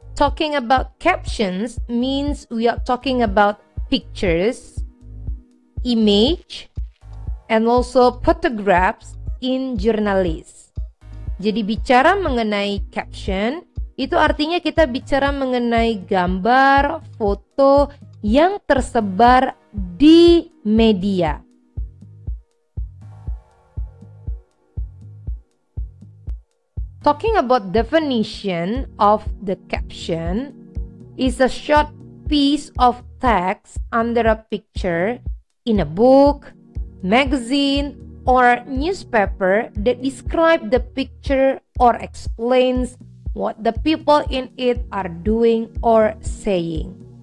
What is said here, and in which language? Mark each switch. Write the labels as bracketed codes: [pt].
[en] Talking about captions means we are talking about pictures, image, and also photographs in journalism. [id] Jadi bicara mengenai caption, itu artinya kita bicara mengenai gambar, foto yang tersebar di media. [en] Talking about definition of the caption is a short piece of text under a picture in a book, magazine, or newspaper that describes the picture or explains what the people in it are doing or saying.